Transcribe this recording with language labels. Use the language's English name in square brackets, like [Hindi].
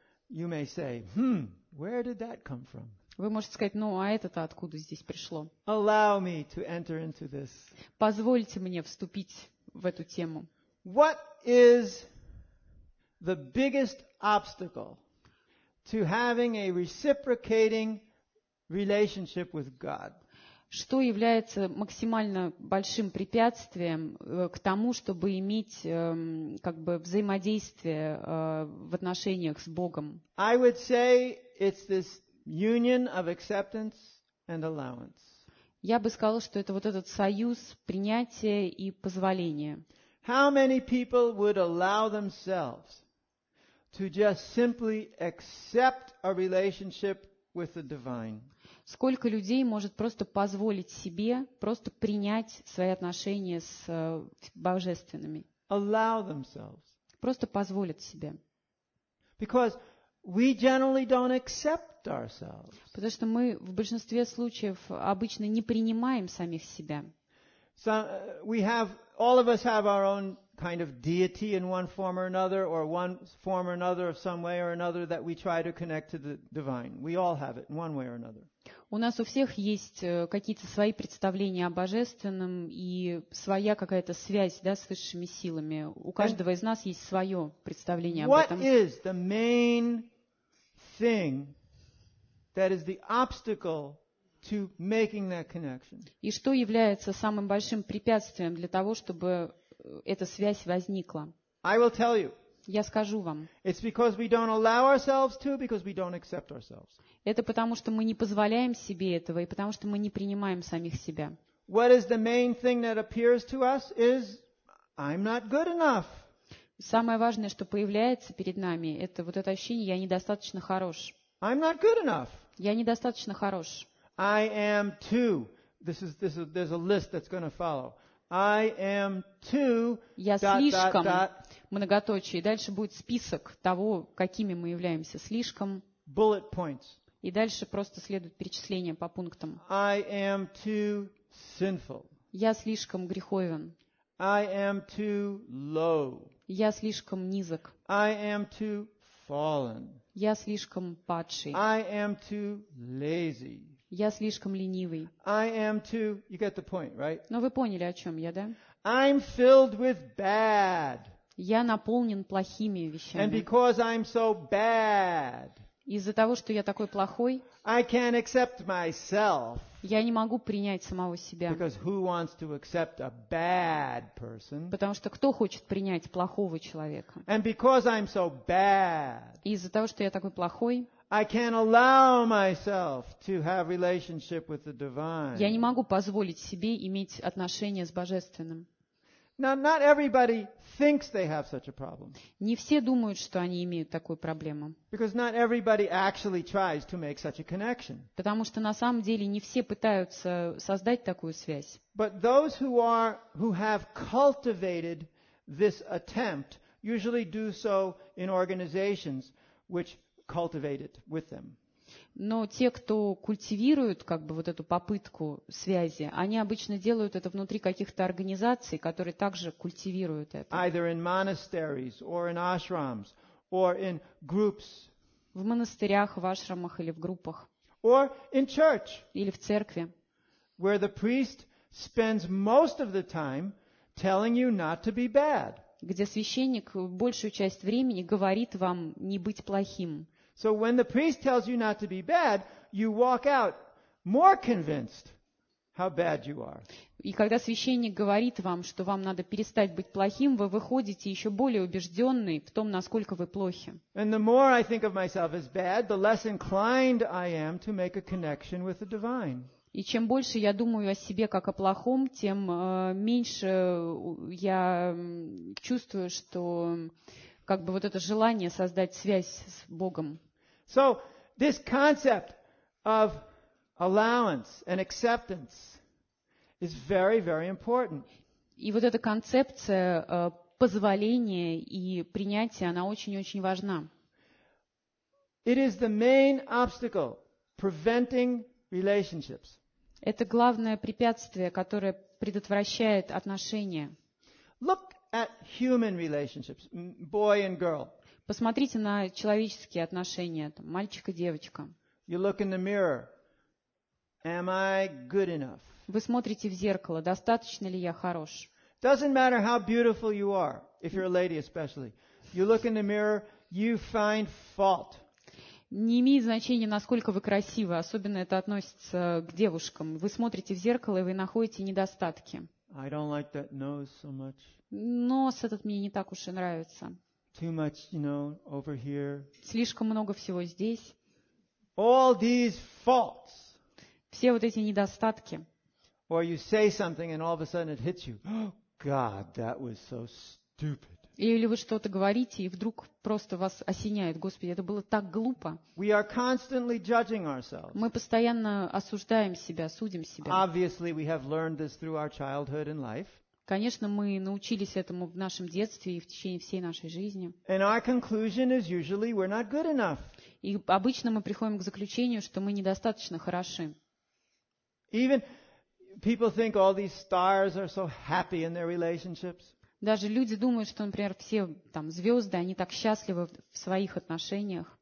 [English] You may say, where did that come from? [Russian] Вы можете сказать, а это-то откуда здесь пришло? [English] Allow me to enter into this. [Russian] Позвольте мне вступить в эту тему. [English] What is the biggest obstacle to having a reciprocating relationship with God? [Russian] Что является максимально большим препятствием к тому, чтобы иметь как бы взаимодействие в отношениях с Богом? [English] I would say it's this union of acceptance and allowance. [Russian] Я бы сказала, что это вот этот союз принятия и позволения. [English] How many people would allow themselves to just simply accept a relationship with the divine? [Russian] Сколько людей может просто позволить себе просто принять свои отношения с божественными? [English] Allow themselves. [Russian] Просто позволят себе. [English] Because we generally don't accept ourselves. [Russian] Потому что мы в большинстве случаев обычно не принимаем самих себя. [English] So we have, all of us have our own kind of deity in one form or another, or one form or another of some way or another that we try to connect to the divine. We all have it in one way or another. [Russian] У нас у всех есть какие-то свои представления о божественном и своя какая-то связь, да, с высшими силами. У каждого из нас есть свое представление об этом. [English] What is the main thing that is the obstacle to making that connection? [Russian] И что является самым большим препятствием для того, чтобы эта связь возникла? [English] I will tell you. [Russian] Я скажу вам. [English] It's because we don't allow ourselves to, because we don't accept ourselves. [Russian] Это потому, что мы не позволяем себе этого и потому, что мы не принимаем самих себя. [English] What is the main thing that appears to us is I'm not good enough. [Russian] Самое важное, что появляется перед нами, это вот это ощущение: я недостаточно хорош. [English] I'm not good enough. [Russian] Я недостаточно хорош. [English] I am too. This is there's a list that's going to follow. I am too. [Russian] Я слишком многоточие. Дальше будет список того, какими мы являемся. Слишком. [English] Bullet points. [Russian] И дальше просто следует перечисление по пунктам. [English] I am too sinful. [Russian] Я слишком греховен. [English] I am too low. [Russian] Я слишком низок. [English] I am too fallen. [Russian] Я слишком падший. [English] I am too lazy. [Russian] Я слишком ленивый. [English] I am too, you get the point, right? [Russian] Но вы поняли, о чем я, да? [English] I'm filled with bad. [Russian] Я наполнен плохими вещами. [English] And because I'm so bad, [Russian] из-за того, что я такой плохой, [English] I can't accept myself. [Russian] Я не могу принять самого себя. [English] Because who wants to accept a bad person? [Russian] Потому что кто хочет принять плохого человека? [English] And because I'm so bad, [Russian] из-за того, что я такой плохой, [English] I can't allow myself to have relationship with the divine. [Russian] Я не могу позволить себе иметь отношения с божественным. [English] Now, not everybody thinks they have such a problem. [Russian] Не все думают, что они имеют такую проблему. [English] Because not everybody actually tries to make such a connection. [Russian] Потому что на самом деле не все пытаются создать такую связь. [English] But those who have cultivated this attempt usually do so in organizations which cultivate it with them. [Russian] Но те, кто культивируют как бы вот эту попытку связи, они обычно делают это внутри каких-то организаций, которые также культивируют это. [English] Either in monasteries or in ashrams or in groups. [Russian] В монастырях, в ашрамах или в группах. [English] Or in church. [Russian] Или в церкви. [English] Where the priest spends most of the time telling you not to be bad. [Russian] где священник большую часть времени говорит вам не быть плохим. [English] So when the priest tells you not to be bad, you walk out more convinced how bad you are. [Russian] И когда священник говорит вам, что вам надо перестать быть плохим, вы выходите еще более убежденный в том, насколько вы плохи. [English] And the more I think of myself as bad, the less inclined I am to make a connection with the divine. [Russian] И чем больше я думаю о себе как о плохом, тем меньше я чувствую, что как бы вот это желание создать связь с Богом. [English] So, this concept of allowance and acceptance is very, very important. [Russian] И вот эта концепция позволения и принятия, она очень-очень важна. [English] It is the main obstacle preventing relationships. [Russian] Это главное препятствие, которое предотвращает отношения. [English] Look at human relationships, boy and girl. [Russian] Посмотрите на человеческие отношения, там, мальчик и девочка. [English] You look in the mirror. Am I good enough? [Russian] Вы смотрите в зеркало, достаточно ли я хорош? [English] Doesn't matter how beautiful you are, if you're a lady especially. You look in the mirror, you find fault. [Russian] Не имеет значения, насколько вы красивы, особенно это относится к девушкам. Вы смотрите в зеркало, и вы находите недостатки. [English] I don't like that nose so much. [Russian] Нос этот мне не так уж и нравится. [English] Too much, you know, over here. [Russian] Слишком много всего здесь. [English] All these faults. [Russian] Все вот эти недостатки. [English] Or you say something, and all of a sudden it hits you. God, that was so stupid. [Russian] Или вы что-то говорите, и вдруг просто вас осеняет. Господи, это было так глупо. [English] We are constantly judging ourselves. [Russian] Мы постоянно осуждаем себя, судим себя. [English] Obviously, we have learned this through our childhood and life. [Russian] Конечно, мы научились этому в нашем детстве и в течение всей нашей жизни. [English] And our conclusion is usually we're not good enough. [Russian] И обычно мы приходим к заключению, что мы недостаточно хороши. [English] Even people think all these stars are so happy in their relationships. [Russian] Даже люди думают, что, например, все там звезды, они так счастливы в своих отношениях.